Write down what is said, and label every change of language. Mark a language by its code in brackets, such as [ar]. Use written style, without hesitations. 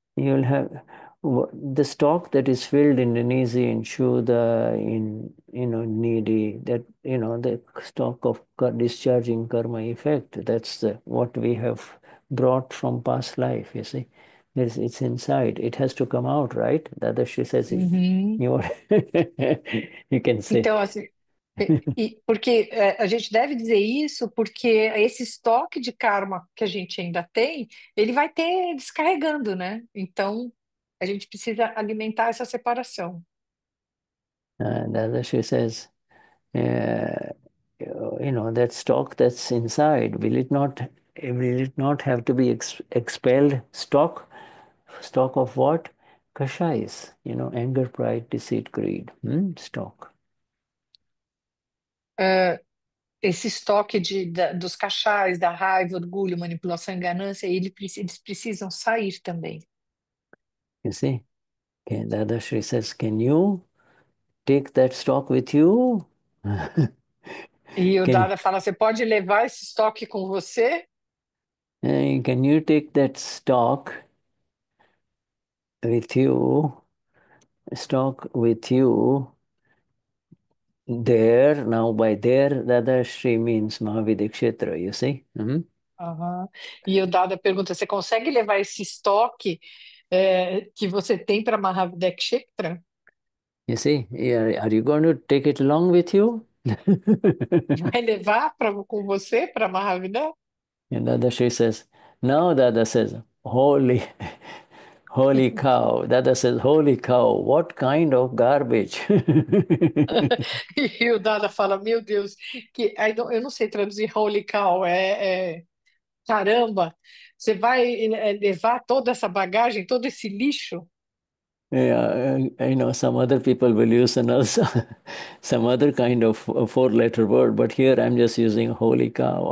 [en] you'll have the stock that is filled in Denize, in Shuddha, in Nidhi, the stock of discharging karma effect. That's what we have brought from past life, you see. It's inside. It has to come out, right? Dadashi says, if you are, you can say. [pt] Então, assim. E porque a gente deve dizer isso porque esse estoque de karma que a gente ainda tem, ele vai ter descarregando, né? Então, a gente precisa alimentar essa separação. [en] Dadashri says, that stock that's inside, will it not have to be expelled? Stock of what? Kashais, anger, pride, deceit, greed. Stock. [pt] Esse estoque dos cachais, da raiva, orgulho, manipulação e ganância, eles precisam sair também. [en] You see, Dadashri says, can you take that stock with you? [pt] E o [en] Can [pt] Dada fala: você pode levar esse estoque com você? [en] you take that stock with you? Stock with you there, now by there, Dadashri means Mahavidikshetra, you see? [pt] E o Dada pergunta: você consegue levar esse estoque que você tem para Mahavidekshetra? [en] You see, are you going to take it along with you? [pt] Vai levar com você para Mahavidekshetra? [en] And Dadashri says, no, Dada says, holy, holy cow. Dada says, holy cow, what kind of garbage? [pt] E o Dada fala: meu Deus, que eu não sei traduzir [en] holy cow, [pt] caramba, você vai levar toda essa bagagem, todo esse lixo? [en] Some other people will use some other kind of four-letter word, but here I'm just using holy cow.